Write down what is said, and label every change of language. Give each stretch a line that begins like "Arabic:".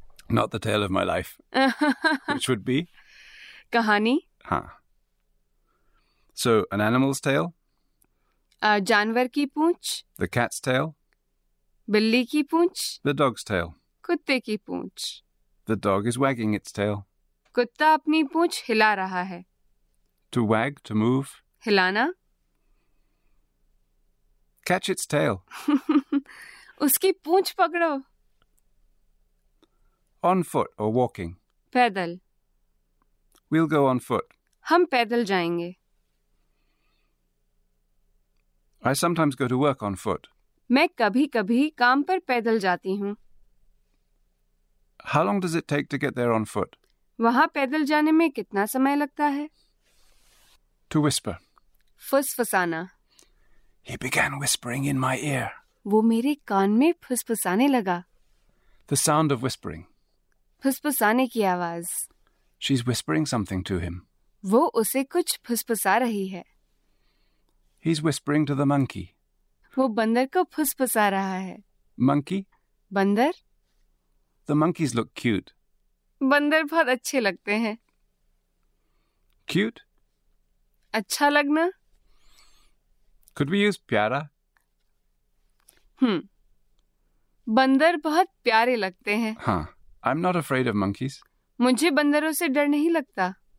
English: Not the tail of my life. Which would be?
Hindi: कहानी। हाँ।
English: So, an animal's tail?
Hindi: जानवर की पूंछ।
English: The cat's tail?
Hindi: बिल्ली की पूंछ।
English: The dog's tail?
Hindi: कुत्ते की पूंछ।
English: The dog is wagging its tail.
Hindi: कुत्ता अपनी पूंछ हिला रहा है।
English: To wag, to move.
Hindi: हिलाना।
English: Catch its tail.
Hindi: उसकी पूंछ पकड़ो।
English: On foot or walking.
Hindi: पैदल।
English: We'll go on foot.
Hindi: हम पैदल जाएंगे।
English: I sometimes go to work on foot.
Hindi: मैं कभी कभी काम पर पैदल जाती हूँ।
English: How long does it take to get there on foot?
Hindi: वहां पैदल जाने में कितना समय लगता है?
English: To whisper.
Hindi: फुसफुसाना।
English: He began whispering in my ear.
Hindi: वो मेरे कान में फुसफुसाने लगा।
English: The sound of whispering.
Hindi: फुसफुसाने की आवाज।
English: She's whispering something to him.
Hindi: वो उसे कुछ फुसफुसा रही है।
English: He's whispering to the monkey.
Hindi: वो बंदर को फुसफुसा रहा है।
English: Monkey?
Hindi: बंदर?
English: The monkeys look cute.
Hindi: बंदर बहुत अच्छे लगते हैं।
English: Cute?
Hindi: अच्छा लगना?
English: Could we use प्यारा?
Hindi: बंदर बहुत प्यारे लगते हैं। हाँ,
English: I'm not afraid of monkeys.
Hindi: मुझे बंदरों से डर नहीं लगता।